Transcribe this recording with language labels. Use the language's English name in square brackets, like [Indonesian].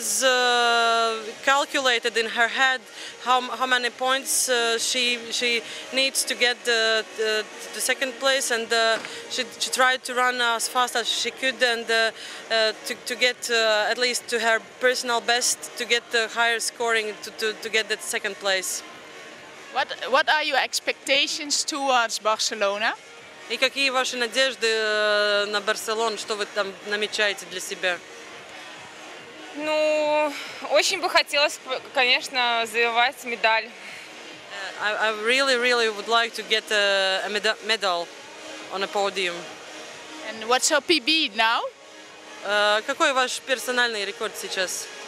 [English] It was calculated in her head how many points she needs to get the second place, and she tried to run as fast as she could and to get at least to her personal best to get the higher scoring to get that second place. What are your expectations towards Barcelona? [Russian] И какие ваши надежды на Барселону? Что вы там намечаете для себя? Ну, очень бы хотелось, конечно, завоевать медаль. [English] I really, really would like to get a medal on a podium. And what's your PB now? [Russian] Какой ваш персональный рекорд сейчас?